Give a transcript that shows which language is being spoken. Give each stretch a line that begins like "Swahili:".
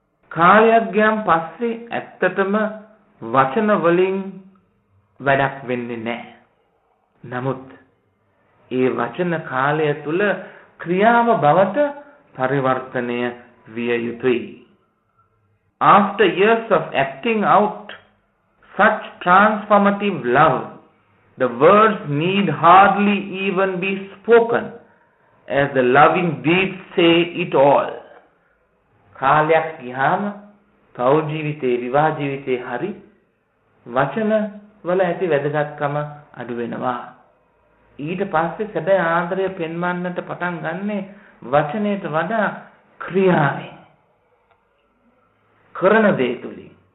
Sinhala: කාලයක් ගියන් පස්සේ ඇත්තටම වචන වලින් වැඩක් වෙන්නේ නැහැ. නමුත් ඒ වචන කාලය තුල ක්‍රියාව බවට පරිවර්තනය විය යුතුයි.
English: After years of acting out such transformative love, the words need hardly even be spoken, as the loving deeds say it all.
Sinhala: කාලයක් ගියාම තව ජීවිතේ, විවාහ ජීවිතේ හරි වචන වල ඇති වැදගත්කම අඩු වෙනවා. ඊට පස්සේ සැබෑ ආදරය පෙන්වන්නට පටන් ගන්නේ වචනයට වඩා ක්‍රියාවෙන්, කරන දේ තුලින්.